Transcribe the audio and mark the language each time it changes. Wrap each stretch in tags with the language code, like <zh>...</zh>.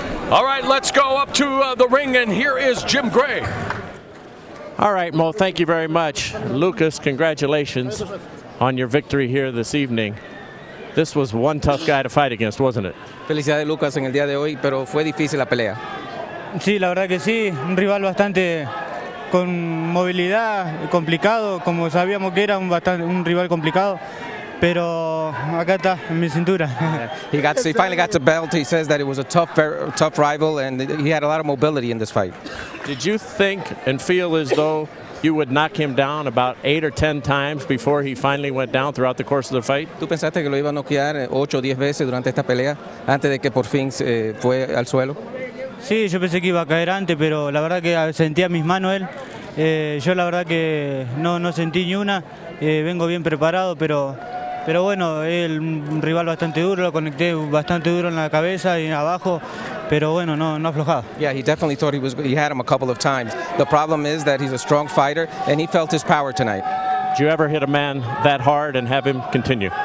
<en>All right, let's go up to the ring, and here is Jim Gray. All right, Mo, thank you very much. Lucas, congratulations on your victory here this evening. This was one tough guy to fight against, wasn't it?</en> <es>Felicidades, Lucas, en el día de hoy, pero fue difícil la pelea. Sí, la verdad que sí, un rival bastante con movilidad, complicado, como sabíamos que era un rival complicado. Pero acá está, en mi cintura.</es> <en>He finally got the belt. He says that it was a tough rival, and he had a lot of mobility in this fight. Did you think and feel as though you would knock him down about 8 or 10 times before he finally went down throughout the course of the fight?</en> <es>¿Tú pensaste que lo iba a noquear 8 o 10 veces durante esta pelea antes de que por fin fue al suelo? Sí, yo pensé que iba a caer antes, pero la verdad que sentía mis manos él. Yo la verdad que no sentí ni una. Vengo bien preparado, pero Pero bueno, el rival bastante duro, lo conecté bastante duro en la cabeza y abajo, pero bueno, no aflojado.</es> <en>Yeah, he definitely thought he had him a couple of times. The problem is that he's a strong fighter and he felt his power tonight. Did you ever hit a man that hard and have him continue?</en>